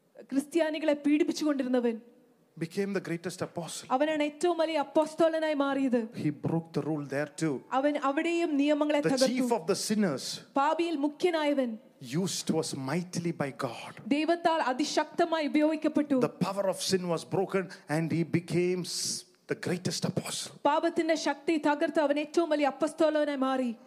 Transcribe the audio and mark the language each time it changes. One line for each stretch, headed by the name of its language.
Malayalam: ക്രിസ്ത്യാനികളെ പീഡിപ്പിച്ചുകൊണ്ടിരുന്നവൻ
English: became the greatest apostle.
Malayalam: അവനാണ് ഏറ്റവും വലിയ അപ്പോസ്തലനായി മാറിയത്.
English: He broke the rule there too.
Malayalam: അവൻ അവിടെയും നിയമങ്ങളെ തകർത്തു.
English: The chief of the sinners.
Malayalam: പാപിയിൽ മുഖ്യനായവൻ
English: used was mightily by God.
Malayalam: ദൈവത്താൽ അതിശക്തമായി ഉപയോഗിക്കപ്പെട്ടു.
English: The power of sin was broken and he became the greatest apostle.
Malayalam: പാപത്തിന്റെ ശക്തി തകർത്ത് അവൻ ഏറ്റവും വലിയ അപ്പോസ്തലനായി മാറി.